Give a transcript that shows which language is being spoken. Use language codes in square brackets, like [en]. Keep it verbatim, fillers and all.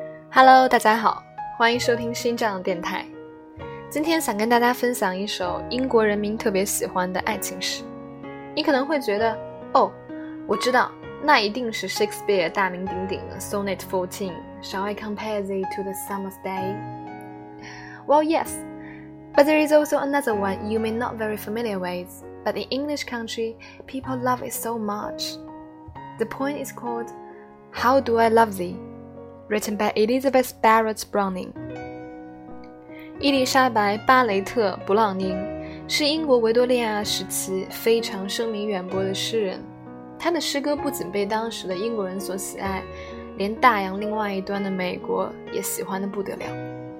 [zh] Hello， 大家好，欢迎收听新这样电台。今天想跟大家分享一首英国人民特别喜欢的爱情诗。你可能会觉得，哦，我知道，那一定是 Shakespeare 大名鼎鼎的 Sonnet fourteen， [en] Shall I compare thee to the summer's day? Well, yes, but there is also another one you may not very familiar with, but in English country, people love it so much. The poem is called How Do I Love Thee? Written by Elizabeth Barrett Browning。 [zh] 伊丽莎白·巴雷特·布朗宁是英国维多利亚时期非常声名远播的诗人，她的诗歌不仅被当时的英国人所喜爱，连大洋另外一端的美国也喜欢得不得了。